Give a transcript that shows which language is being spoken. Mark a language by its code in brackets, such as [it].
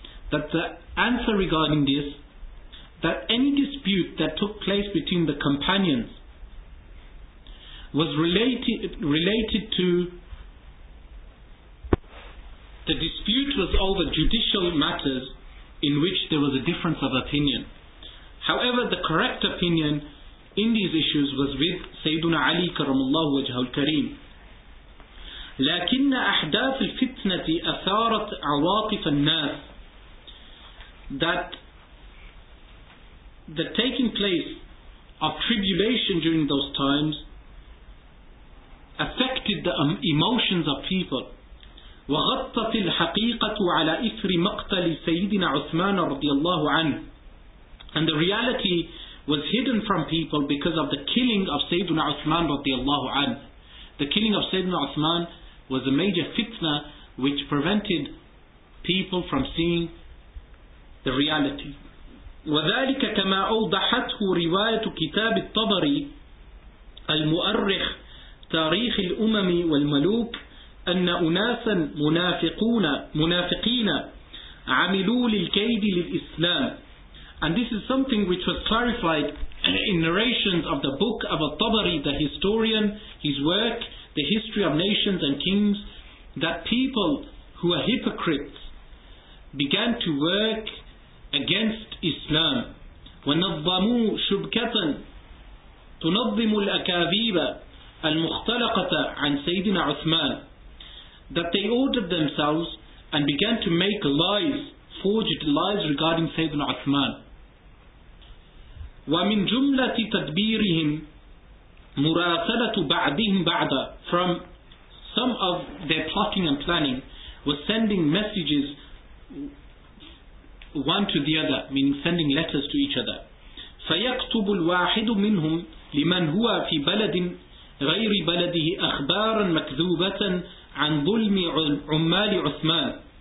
[en] That the answer regarding this, that any dispute that took place between the companions was related to the dispute was over judicial matters in which there was a difference of opinion. However, the correct opinion in these issues was with Sayyiduna Ali [ar] karamullah wajhahu al-kareem. لَكِنَّ أَحْدَاثِ الْفِتْنَةِ أَثَارَتْ عَوَاطِفَ النَّاسِ. [en] That the taking place of tribulation during those times affected the emotions of people. [ar] وغطت الحقيقة على إثر مقتل سيدنا عثمان رضي الله عنه. [en] And the reality was hidden from people because of the killing of سيدنا عثمان [ar] رضي الله عنه. [en] The killing of سيدنا عثمان was a major fitna which prevented people from seeing the reality. [ar] وذلك كما أوضحته رواية كتاب الطبري المؤرخ تاريخ الأمم والملوك أن أناسا منافقين عملوا للكيد للإسلام. [en] And this is something which was clarified in narrations of the book of al-Tabari, the historian, his work, The History of Nations and Kings, that people who are hypocrites began to work against Islam. [ar] ونظموا شبكة تنظم الأكاذيب المختلقة عن سيدنا عثمان. [en] That they ordered themselves and began to make lies, forged lies regarding Sayyidina Uthman. [ar] ومن جملة تدبيرهم مراسلة بعضهم بعضا. [en] From some of their plotting and planning was sending messages one to the other, meaning sending letters to each other. [ar] فيكتب الواحد منهم لمن هو في بلد غير بلده أخبارا مكذوبة عن ظلم عمال عثمان.